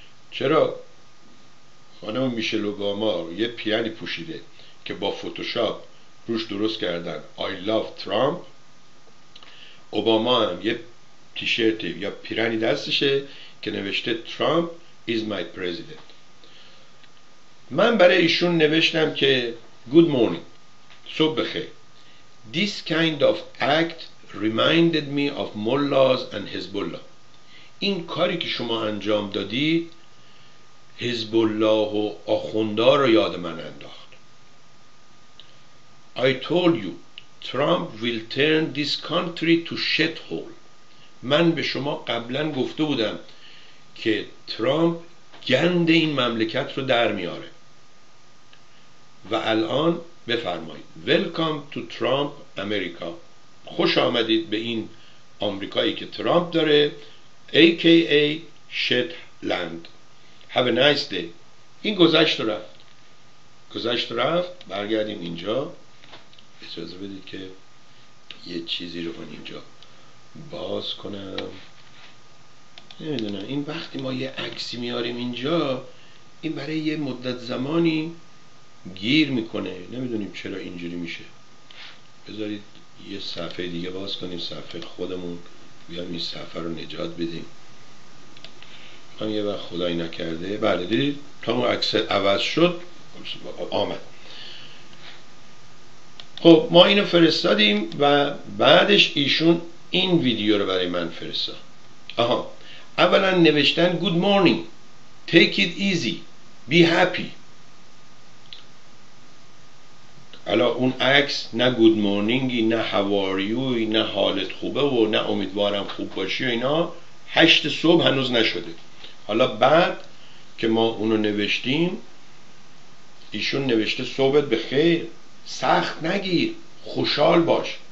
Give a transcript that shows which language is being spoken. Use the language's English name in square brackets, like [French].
[Persian] چرا خانم میشل اوباما یه پیانی پوشیده که با فتوشاپ روش درست کردن [English] I love Trump، [Persian] اوباما هم یه تیشرت یا پیرنی دستشه که نوشته [English] Trump is my president. [Persian] من برای ایشون نوشتم که [English] Good morning، [Persian] صبح بخیر. [English] This kind of act reminded me of mullahs and Hezbollah. [Persian] این کاری که شما انجام دادی حزب الله و آخونده رو یاد من انداخت. [English] I told you Trump will turn this country to shit hole. [Persian] من به شما قبلا گفته بودم که ترامپ گند این مملکت رو در میاره. و الان بفرمایید [English] Welcome to Trump America. [Persian] خوش آمدید به این آمریکایی که ترامپ داره، [English] AKA shit land. Have a nice day. [Persian] این گذشت رفت. گذشت رفت. برگردیم اینجا. اجازه بدید که یه چیزی رو من اینجا باز کنم. نمیدونم. این وقتی ما یه عکسی میاریم اینجا، این برای یه مدت زمانی گیر میکنه. نمیدونیم چرا اینجوری میشه. بذارید یه صفحه دیگه باز کنیم. صفحه خودمون. بیایم این صفحه رو نجات بدیم. من یه وقت خدای نکرده بله دیدید تا اون عکس عوض شد آمد. خب ما اینو فرستادیم و بعدش ایشون این ویدیو رو برای من فرستاد. آها، اولا نوشتن [English] Good morning، take it easy، be happy. [Persian] حالا اون عکس نه good morningی، نه how are you، نه حالت خوبه و نه امیدوارم خوب باشی و اینا. 8 صبح هنوز نشده. حالا بعد که ما اونو نوشتیم ایشون نوشته صحبت به خیر، سخت نگیر، خوشحال باش.